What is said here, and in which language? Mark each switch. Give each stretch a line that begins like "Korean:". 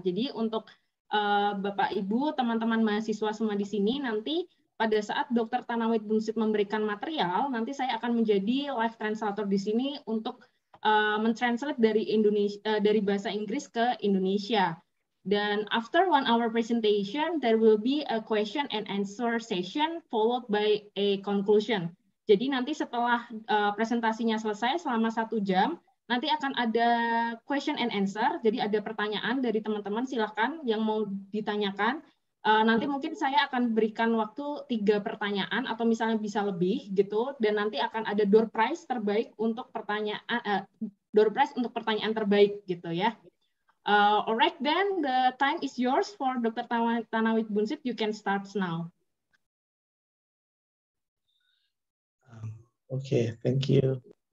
Indonesian: Jadi untuk Bapak, Ibu, teman-teman mahasiswa semua di sini, nanti pada saat Dr. Thanawit Bunsit memberikan material, nanti saya akan menjadi live translator di sini untuk mentranslate dari Indonesia, dari bahasa Inggris ke Indonesia.
English: Dan after 1 hour presentation, there will be a question and answer session followed by a conclusion.
Indonesian: Jadi nanti setelah presentasinya selesai selama 1 jam, nanti akan ada question and answer. Jadi ada pertanyaan dari teman-teman, silahkan yang mau ditanyakan. Nanti mungkin saya akan berikan waktu 3 pertanyaan atau misalnya bisa lebih gitu, dan nanti akan ada door prize terbaik untuk pertanyaan door prize untuk pertanyaan terbaik gitu ya.
English: All right, then the time is yours for Dr. Thanawit Bunsit. You can start now. Okay, thank you.